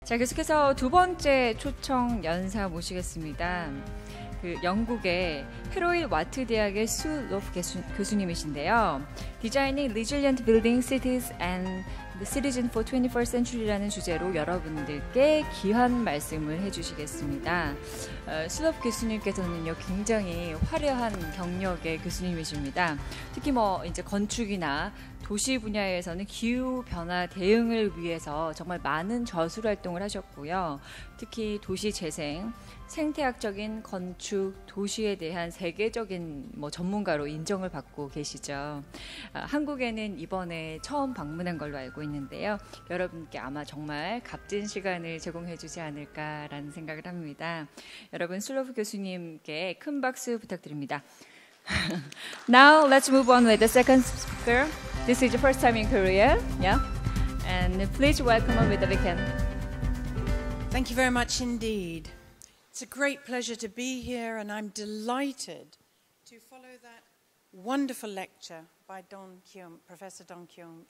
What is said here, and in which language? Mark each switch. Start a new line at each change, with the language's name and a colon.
Korean: 자, 계속해서 두 번째 초청 연사 모시겠습니다. 그 영국의 헤로일 와트 대학의 수 로프 교수님이신데요. Designing Resilient Building Cities and the Citizen for 21st Century라는 주제로 여러분들께 귀한 말씀을 해주시겠습니다. 수 로프 교수님께서는요, 굉장히 화려한 경력의 교수님이십니다. 특히 뭐 이제 건축이나 도시 분야에서는 기후 변화 대응을 위해서 정말 많은 저술 활동을 하셨고요. 특히 도시 재생, 생태학적인 건축, 도시에 대한 세계적인 뭐 전문가로 인정을 받고 계시죠. 한국에는 이번에 처음 방문한 걸로 알고 있는데요. 여러분께 아마 정말 값진 시간을 제공해 주지 않을까라는 생각을 합니다. 여러분, 슬로프 교수님께 큰 박수 부탁드립니다.
English: Now let's move on with the second speaker. This is your first time in Korea, yeah? And please welcome on with the weekend. Thank you very much indeed. It's a great pleasure to be here, and I'm delighted to follow that wonderful lecture by Don Kyum, Professor Don Kyum.